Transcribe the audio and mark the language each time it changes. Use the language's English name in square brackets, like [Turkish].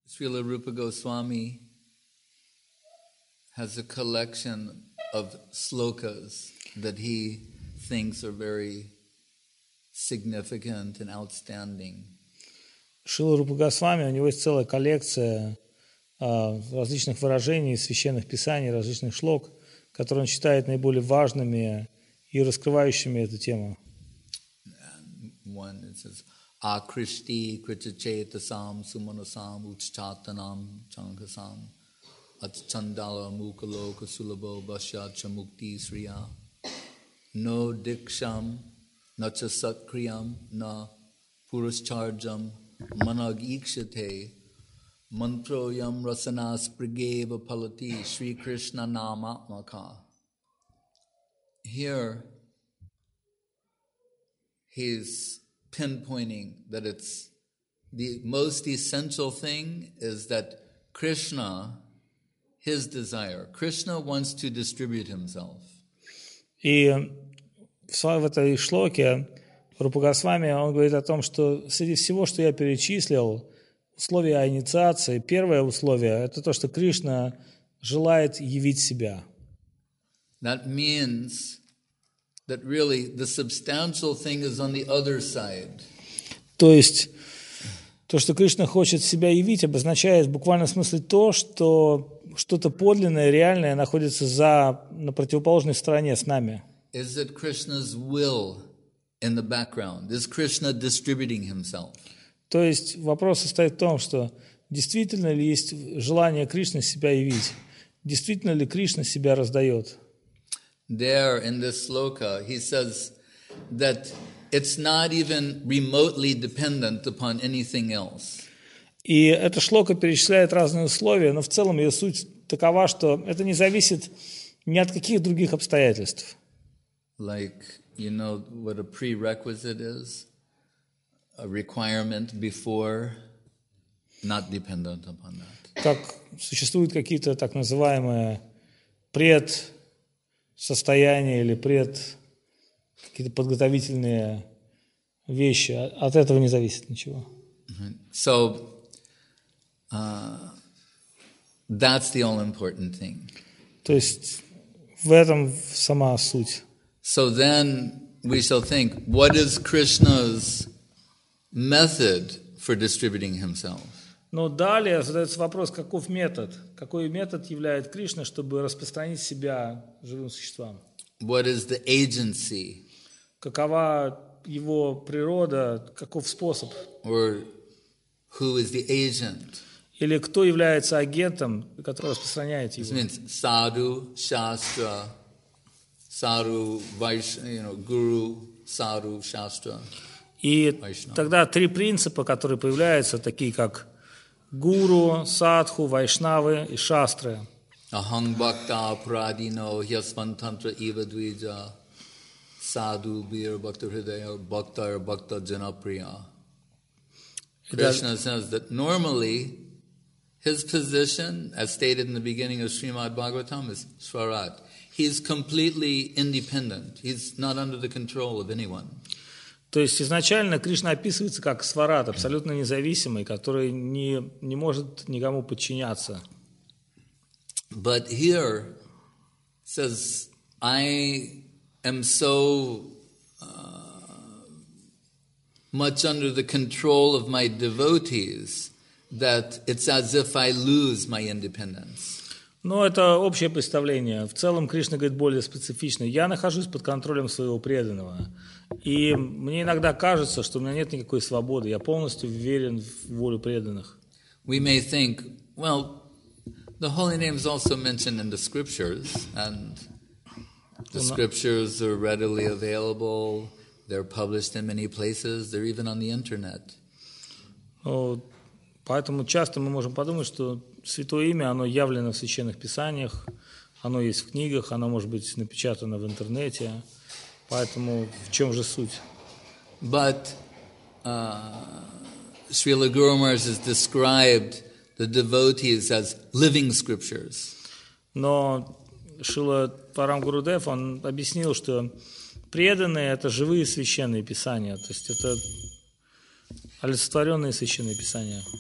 [English] Srila Rupa Goswami has a collection of slokas that he thinks are very significant and outstanding. [Russian] Шрила Рупа Госвами, у него есть целая коллекция различных выражений из священных писаний, различных шлок, которые он считает наиболее важными и раскрывающими эту тему. [English] One it says, [Sanskrit] "А Кришти Кричачетасам Суманасам Уччатанам Чангасам Атчандала Мукалока Сулабо Башя Чамукти Срия Но Дикшам Нача Саткриям На Пурасчарджам Манаг Икшите Мантро Ям Расанас Пригева Палати Шри Кришна Наматмака." [English] Here he's pinpointing that it's the most essential thing is that Krishna, his desire, Krishna wants to distribute himself. [Russian] И в этой шлоке Рупа Госвами, он говорит о том, что среди всего, что я перечислил, условия инициации, первое условие – это то, что Кришна желает явить себя. [English] That means that really the substantial thing is on the other side. [Russian] То есть, то, что Кришна хочет себя явить, обозначает в буквальном смысле то, что что-то подлинное, реальное находится за, на противоположной стороне с нами. [English] Is it Krishna's will in the background? Is Krishna distributing himself? [Russian] То есть вопрос состоит в том, что действительно ли есть желание Кришны себя явить? Действительно ли Кришна себя раздает? [English] There in this sloka, he says that it's not even remotely dependent upon anything else. [Russian] И эта шлока перечисляет разные условия, но в целом ее суть такова, что это не зависит ни от каких других обстоятельств. [English] Like, you know what a prerequisite is? A requirement before, not dependent upon that. [Russian] Как существуют какие-то так называемые предсостояния или пред какие-то подготовительные вещи. От этого не зависит ничего. [English] So, that's the all important thing. [Russian] То есть в этом сама суть. [English] So then we shall think, what is Krishna's method for distributing himself? [Russian] Но далее задается вопрос, каков метод? Какой метод являет Кришна, чтобы распространить себя живым существам? [English] What is the agency? [Russian] Какова его природа? Каков способ? [English] Or who is the agent? [Russian] Или кто является агентом, который распространяет его? [English] This means sadhu, shastra. Sadhu, Vaishnava, you know, Guru, Sadhu, Shastra, Vaishnava. [Russian] И тогда три принципа, которые появляются, такие как Гуру, Садху, Вайшнавы и Шастры. [Sanskrit] Аханг бхакта прадино хьясвантантра ива двиджа Садху, бир, бхакта хридая, бхакта ир, бхакта джанаприя. [English] Krishna says that normally his position, as stated in the beginning of Srimad Bhagavatam, is Swarat. He's completely independent. He's not under the control of anyone. [Russian] То есть изначально Кришна описывается как сварат, абсолютно независимый, который не может никому подчиняться. [English] But here says, I am so much under the control of my devotees that it's as if I lose my independence. [Russian] Но это общее представление. В целом Кришна говорит более специфично. Я нахожусь под контролем своего преданного. И мне иногда кажется, что у меня нет никакой свободы. Я полностью уверен в волю преданных. [English] We may think, well, the holy name is also mentioned in the scriptures, and the scriptures are readily available. They're published in many places. They're even on the internet. [Russian] Поэтому часто мы можем подумать, что Святое имя, оно явлено в священных писаниях, оно есть в книгах, оно может быть напечатано в интернете. Поэтому в чем же суть? [English] But Srila Guru Maharaj has described the devotees as living scriptures. [Russian] Но Шрила Парам Гурудев, он объяснил, что преданные – это живые священные писания, то есть это олицетворенные священные писания.